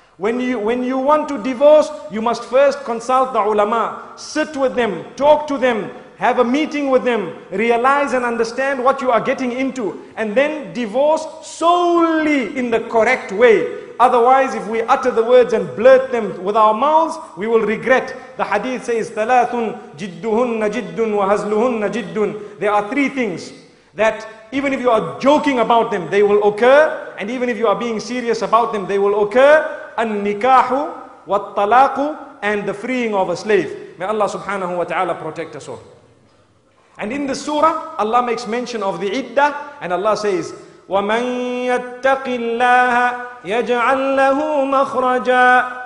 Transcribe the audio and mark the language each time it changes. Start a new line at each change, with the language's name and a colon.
English: When you want to divorce, you must first consult the ulama. Sit with them, talk to them. Have a meeting with them, realize and understand what you are getting into, and then divorce solely in the correct way. Otherwise, if we utter the words and blurt them with our mouths, we will regret. The hadith says,
Arabic: ثَلَاثٌ جِدُّهُنَّ جِدٌّ وَهَزْلُهُنَّ جِدٌّ.
English: There are three things that even if you are joking about them, they will occur. And even if you are being serious about them, they will occur.
Arabic: النِّكَاحُ وَالطَّلَاقُ
English: and the freeing of a slave. May Allah subhanahu wa ta'ala protect us all. And in the surah, Allah makes mention of the iddah, and Allah says,
Arabic: وَمَن يَتَّقِ اللَّهَ يَجْعَلْ لَهُ مَخْرَجًا.